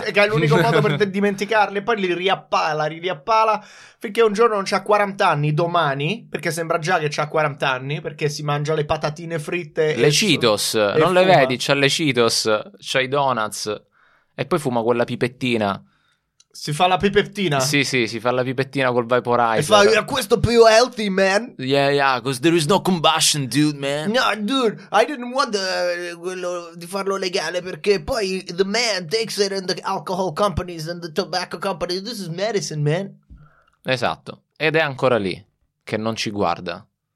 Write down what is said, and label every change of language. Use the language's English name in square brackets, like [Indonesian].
[Italian] Che è l'unico modo per dimenticarli e poi li riappala finché un giorno non c'ha 40 anni, domani, perché sembra già che c'ha 40 anni, perché si mangia le patatine fritte. Le Cheetos, non fuma. Le vedi, c'ha le Cheetos, c'ha i donuts e poi fuma quella pipettina. Si fa la pipettina? Sì, sì, si fa la pipettina col vaporizer. E fa, yeah, questo più [English] healthy, man. Yeah, yeah, because there is no combustion, dude, man. No, dude, I didn't want [Italian] quello di farlo legale, perché poi [English] the man takes it in the alcohol companies and the tobacco companies. This is medicine, man. [Italian] Esatto. Ed è ancora lì, che non ci guarda.